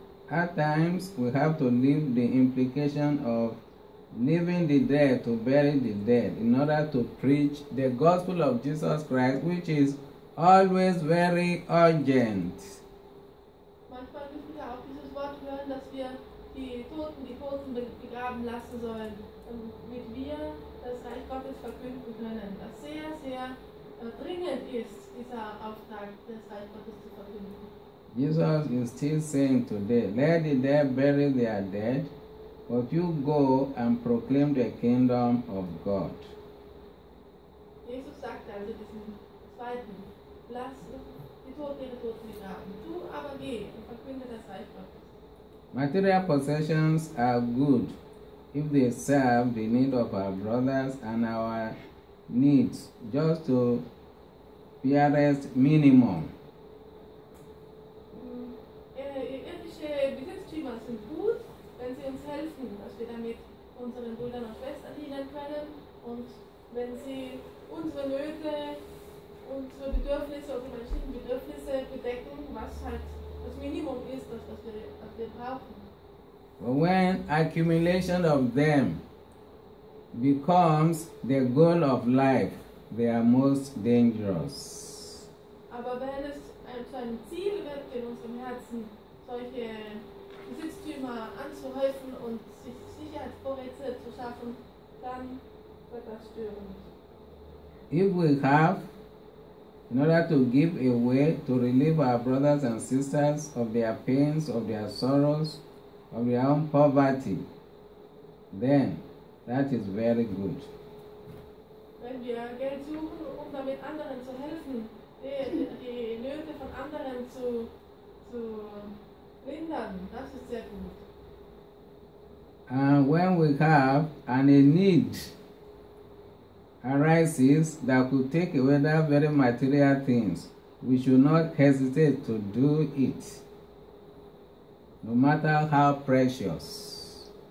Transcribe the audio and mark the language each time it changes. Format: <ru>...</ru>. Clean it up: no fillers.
<en>At times we have to leave the implication of leaving the dead to bury the dead in order to preach the gospel of Jesus Christ, which is always very urgent.</en> <de>Manchmal müssen wir auch dieses Wort hören, dass wir die Toten begraben lassen sollen, damit wir das Reich Gottes verkünden können, was sehr, sehr dringend ist, dieser Auftrag, das Reich Gottes zu verkünden.</de> <en>Jesus is still saying today, let the dead bury their dead, but you go and proclaim the kingdom of God.</en> <de>Jesus sagte also diesen zweiten, lass die Toten ihre Toten begraben. Du aber geh und verkünde das Reich Gottes.</de> <en>Material possessions are good if they serve the need of our brothers and our needs, just to barest minimum.</en> <de>Irdische Besitztümer sind gut, wenn sie uns helfen, dass wir damit unseren Brüdern und Schwestern dienen können, und wenn sie unsere Nöte, unsere Bedürfnisse, unsere menschlichen Bedürfnisse bedecken, was halt das Minimum ist, das wir brauchen.</de> <en>But when accumulation of them becomes the goal of life, they are most dangerous.</en> <de>Aber wenn es zu einem Ziel wird in unserem Herzen, solche Besitztümer anzuhäufen und sich Sicherheitsvorräte zu schaffen, dann wird das störend.</de> <en>If we have, in order to give away, to relieve our brothers and sisters of their pains, of their sorrows, of your own poverty, then that is very good.</en> <de>Wenn wir Geld suchen, um damit anderen zu helfen, die Nöte von anderen zu lindern, das ist sehr gut.</de> <en>And when we have and a need arises that could take away that very material things, we should not hesitate to do it, no matter how precious.</en>